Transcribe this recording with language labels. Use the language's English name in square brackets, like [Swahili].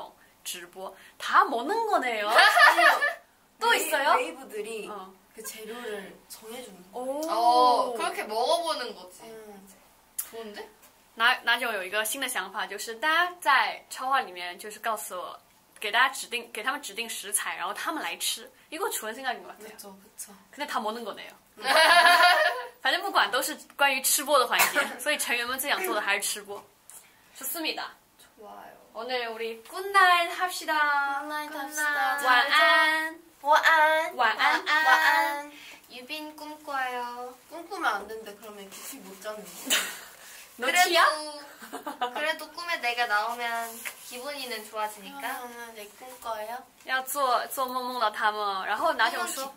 [Chinese] 然后玉冰说下一次也想尝尝看，就是试一下麻辣烫的里面的各种食材的那种直播。 [Korean] 다 먹는 거네요. 또 있어요? 웨이브들이 그 재료를 정해주는. 오. 그렇게 먹어보는 거지. 좋은데? [Chinese] 나就有一个新的想法，就是大家在超话里面就是告诉我，给大家指定，给他们指定食材，然后他们来吃。 [Korean] 이거 좋은 생각인 것 같아요. 그렇죠. 근데 다 먹는 거네요. [Chinese] 反正不管都是关于吃播的环节，所以成员们最想做的还是吃播。 [Korean] 좋습니다。좋아요。오늘 우리 굿나잇 합시다. 굿나잇 합시다. [Chinese] 晚安。晚安。晚安。晚安。 [Korean] 유빈 꿈꿔요. 꿈꾸면 안 된대. 그러면 귀신 못 잡는 거. 너티야? 그래도 꿈에 내가 나오면 기분이는 좋아지니까. 그러면 내 꿈꿔요. [Chinese] 要做梦到他们，然后拿手说。